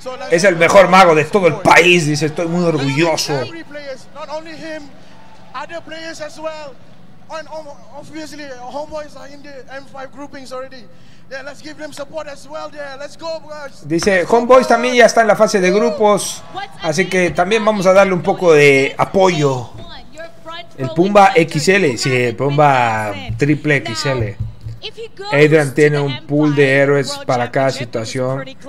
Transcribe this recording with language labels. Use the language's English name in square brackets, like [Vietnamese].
[Spanish] Es el mejor mago de todo el país, dice. Estoy muy orgulloso. [English] Not only him, other players as well. And obviously, homeboys are in the M5 groupings already. Yeah, let's give them support as well. There, let's go, guys. [Spanish] Dice, homeboys también ya está en la fase de grupos, así que también vamos a darle un poco de apoyo. El Pumba XL, sí, el Pumba Triple XL. Adrian tiene un pool de héroes para cada situación.